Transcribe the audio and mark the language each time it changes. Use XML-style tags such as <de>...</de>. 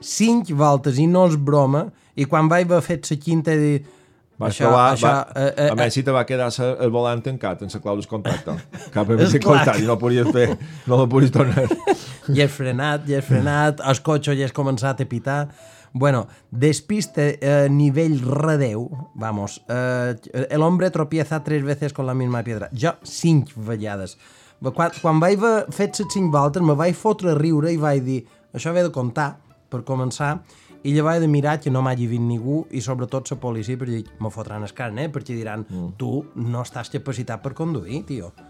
<ca>Cinc voltes i no és broma i quan vaig haver fet la quinta he dit a més si te va quedar el volant tancat en la clau del contacte cap a contacte, no el podies fer no el podies tornar i he frenat el cotxe ja has començat a pitar.</ca> <es>Bueno, despiste a nivell redeu, vamos, el hombre tropieza tres veces con la misma piedra.</es> <ca>Jo cinc vegades quan vaig haver fet les cinc voltes me vaig fotre a riure i vaig dir això ve de comptar per començar, i ja vaig de mirar que no m'hagi vist ningú, i sobretot la policia, perquè dic, me fotran el carn, perquè diran, tu no estàs capacitat per conduir, tio.</ca>